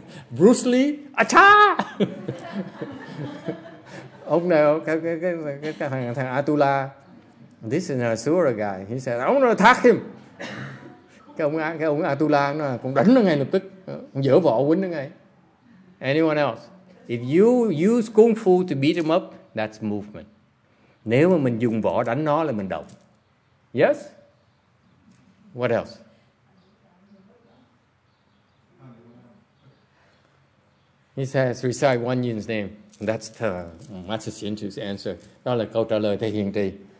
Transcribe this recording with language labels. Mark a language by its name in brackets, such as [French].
[English] Bruce Lee, acha! [Vietnamese] Ông này, cái thằng [English] Atula, this is an Asura guy. He said, I'm going to attack him. [Vietnamese] Cái ông Atula nó cũng đánh nó ngay lập tức, dở vỏ quýnh nó ngay. [English] Anyone else? If you use kung fu to beat him up, that's movement. [Vietnamese] Nếu mà mình dùng võ đánh nó là mình động. [English] Yes? What else? He says, recite Wan Yin's name. That's the Master Xian Chu's answer. [Vietnamese] Đó là câu trả lời thể hiện trì.